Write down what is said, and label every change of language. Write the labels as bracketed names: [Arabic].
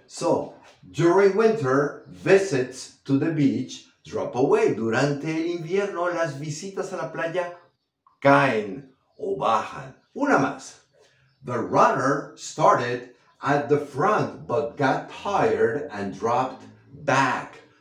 [English] So, during winter, visits to the beach drop away. [Spanish] Durante el invierno, las visitas a la playa caen o bajan. Una más. [English] The runner started at the front but got tired and dropped back.